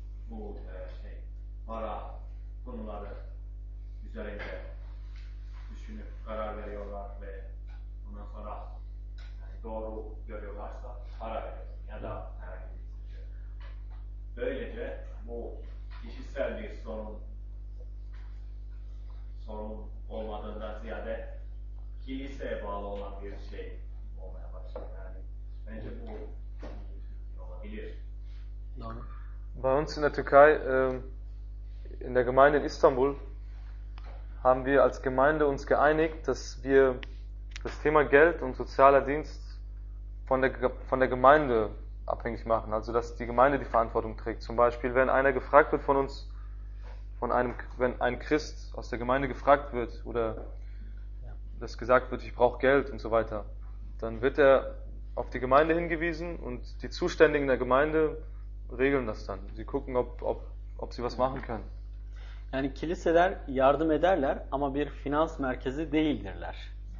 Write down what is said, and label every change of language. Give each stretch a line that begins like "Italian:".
Turkish: Bu para konuları üzerinde düşünüp karar veriyorlar ve ondan sonra yani doğru görüyorlarsa para veriyorlar ya da herhangi bir şey. Böylece bu kişisel bir sorun olmadığından ziyade kiliseye bağlı olan bir şey olmaya başladı. Yani bence bu olabilir. Doğru.
German: Bei uns in der Türkei, in der Gemeinde in Istanbul, haben wir als Gemeinde uns geeinigt, dass wir das Thema Geld und sozialer Dienst von der Gemeinde abhängig machen. Also dass die Gemeinde die Verantwortung trägt. Zum Beispiel, wenn einer gefragt wird von uns, wenn ein Christ aus der Gemeinde gefragt wird oder dass gesagt wird, ich brauche Geld und so weiter, dann wird er auf die Gemeinde hingewiesen und die Zuständigen der Gemeinde regeln das dann. Sie gucken, ob sie was machen können.
Turkish: Yani kiliseler yardım ederler ama bir finans merkezi değildirler.